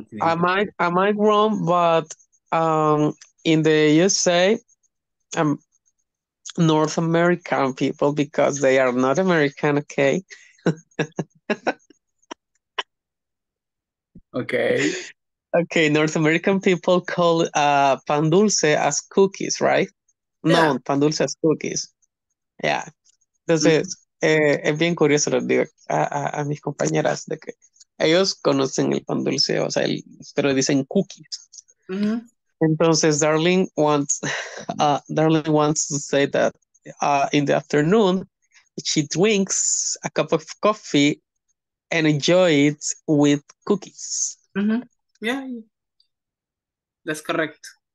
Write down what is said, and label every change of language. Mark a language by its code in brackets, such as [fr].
[en] am I wrong, but in the USA, North American people, because they are not American, okay? Okay. Okay, North American people call pan dulce as cookies, right? No, yeah. Pan dulce as cookies. Yeah. [es] Entonces, es bien curioso, les digo a mis compañeras de que ellos conocen el pan dulce, o sea, pero dicen cookies. [en] Entonces, Darling wants to say that in the afternoon, she drinks a cup of coffee and enjoys it with cookies. Yeah, that's correct.